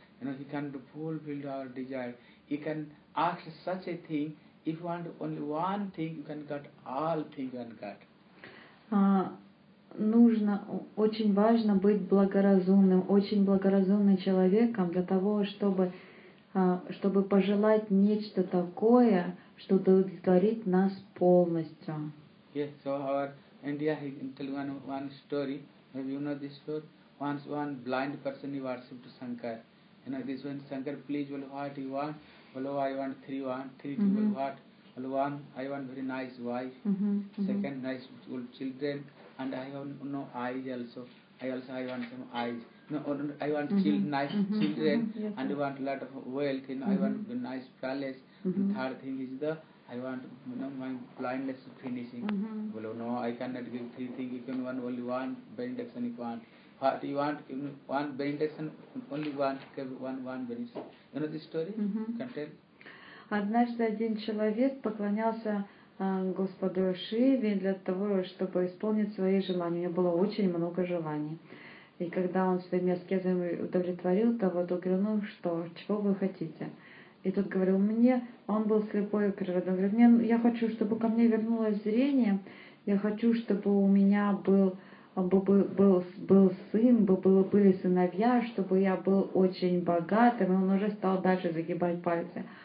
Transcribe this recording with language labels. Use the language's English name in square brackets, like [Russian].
[English] You know, he can fulfill our desire. You can ask such a thing. If you want only one thing, you can get all things you can get. [Russian] Нужно, очень важно быть благоразумным, очень благоразумным человеком для того, чтобы пожелать нечто такое, что удовлетворит нас полностью. [English] Yes, so our India, he can tell one story. Have you know this story? Once one blind person, he worshipped Shankar. You know, this one, Shankar, please, well, what you want? Well, I want three people, mm-hmm. What? Well, one, I want very nice wife. Mm-hmm. Second, nice beautiful children. And I have no eyes also. I want some eyes. No, I want mm-hmm. children. Mm-hmm. Yes, and sir. I want a lot of wealth. You know, mm-hmm. I want a nice palace. Mm-hmm. And third thing is I want, you know, my blindness finishing. Mm-hmm. Well, no, I cannot give three things. You can want only one benediction if you want. What you want, one benediction, only one benediction. You know this story? Mm-hmm. You can tell? [Russian] Однажды один человек поклонялся Господу Шиве для того, чтобы исполнить свои желания. У него было очень много желаний. И когда он своими аскезами удовлетворил того, то говорил, ну что, чего вы хотите? И тот говорил, мне, он был слепой к природе, он говорит, мне, я хочу, чтобы ко мне вернулось зрение, я хочу, чтобы у меня был сын, были сыновья, чтобы я был очень богатым, и он уже стал дальше загибать пальцы.